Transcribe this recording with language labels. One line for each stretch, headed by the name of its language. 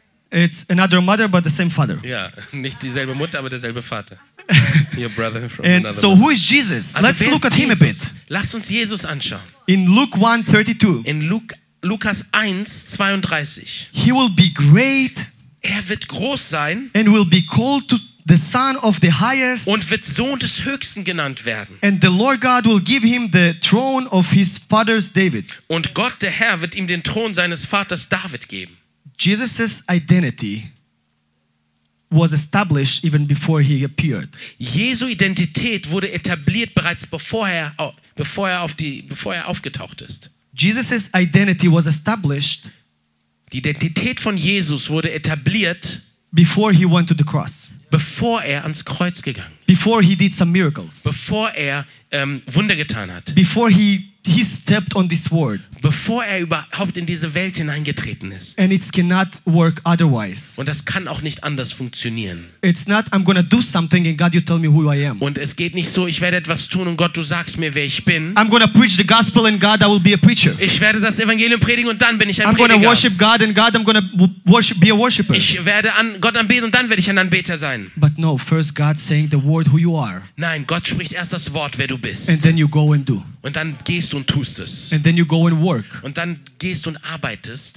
English: It's another mother, but the same father.
German: Ja, nicht dieselbe Mutter, aber derselbe Vater.
English: Your brother from and another so one. Who is Jesus?
German: Also
English: let's look at Jesus? Him a bit.
German: Lass uns Jesus anschauen.
English: In Luke 1:32.
German: In Lukas 1:32.
English: He will be great.
German: Er wird groß sein.
English: And will be called to the Son of the Highest.
German: Und wird Sohn des Höchsten genannt werden.
English: And the Lord God will give him the throne of his father David.
German: Und Gott der Herr wird ihm den Thron seines Vaters David geben.
English: Jesus' identity was established even before he appeared.
German: Jesu Identität wurde etabliert bereits bevor er aufgetaucht ist.
English: Jesus' identity was established.
German: Die Identität von Jesus wurde etabliert
English: before he went to the cross.
German: Bevor er ans Kreuz gegangen ist.
English: Before he did some miracles.
German: Bevor er Wunder getan hat.
English: Before he stepped on this world.
German: Bevor er überhaupt in diese Welt hineingetreten ist.
English: And it cannot work otherwise.
German: Und das kann auch nicht anders funktionieren.
English: It's not I'm gonna do something and God you tell me who I am.
German: Und es geht nicht so, ich werde etwas tun und Gott du sagst mir wer ich bin.
English: I'm gonna preach the gospel and God I will be a preacher.
German: Ich werde das Evangelium predigen und dann bin ich ein
English: I'm
German: Prediger.
English: I'm gonna worship God and God I'm gonna worship be a worshipper.
German: Ich werde an Gott anbeten und dann werde ich ein Anbeter sein.
English: But no, first God saying the word who you are.
German: Nein, Gott spricht erst das Wort wer du bist.
English: And then you go and do.
German: Und dann gehst du und tust es.
English: And then you go and work.
German: Und dann gehst und arbeitest.